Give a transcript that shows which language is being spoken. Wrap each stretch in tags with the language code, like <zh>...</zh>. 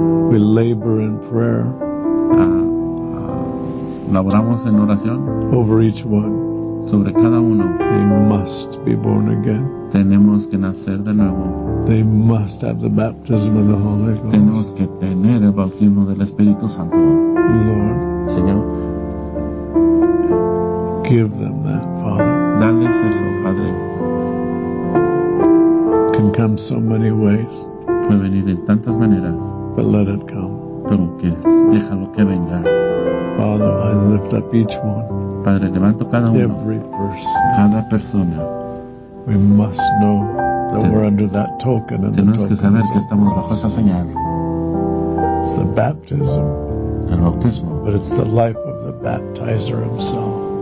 <en>We labor in prayer.</en> <es>Laboramos en oración</es> <en>over each one.</en> <es>Sobre cada uno.</es> <en>They must be born again.</en> <es>Tenemos que nacer de nuevo.</es> <en>They must have the baptism of the Holy Ghost.</en> <es>Tenemos que tener el bautismo del Espíritu Santo.</es> <en>Lord,</en> <es>Señor,</es> <en>give them that, Father.</en> <es>Dales eso, Padre.</es> <en>Can come so many ways.</en> <es>Puede venir en tantas maneras.</es> <en>But let it come.</en> <es>Pero que déjalo que venga.</es> <en>Father, I lift up each one.</en> <es>Padre, levanto cada uno.</es> <en>Every person.</en> <es>Cada persona.</es> <en>We must know that we're under that token and the</en> <es>tenemos que saber que estamos bajo esa señal.</es> <en>It's the baptism.</en> <es>El bautismo.</es> <en>But it's the life of the baptizer himself.</en>